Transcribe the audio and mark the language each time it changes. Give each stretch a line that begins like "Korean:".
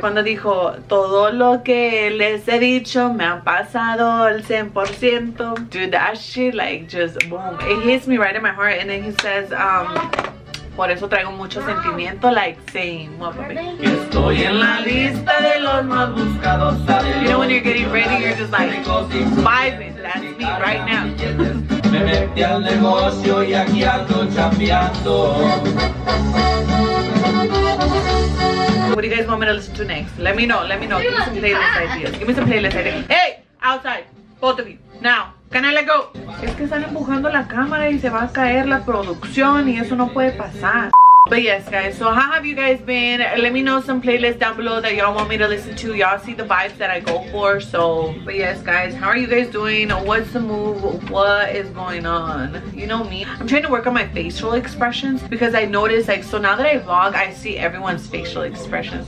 Spanish: Cuando dijo, todo lo que les he dicho me han pasado el 100%.
English: Dude, that shit like just boom. It hits me right in my heart. And then he says,
Spanish: por eso traigo mucho sentimiento.
English: Like, same.
Spanish: Estoy en la lista de los más buscados.
English: You know when you're getting ready, you're just like, vibing. That's me right now.
Spanish: Me metí al negocio y aquí ando chambeando.
English: What do you guys want me to listen to next? Let me know. Give me some playlist ideas. Give me some playlist ideas. Hey! Outside. Both of you. Now. Can I let go?
Spanish: Es que están empujando la cámara y se va a caer la producción y eso no puede pasar.
English: But yes, guys, so how have you guys been? Let me know some playlists down below that y'all want me to listen to. Y'all see the vibes that I go for, so. But yes, guys, how are you guys doing? What's the move? What is going on? You know me. I'm trying to work on my facial expressions because I notice, like, so now that I vlog, I see everyone's facial expressions.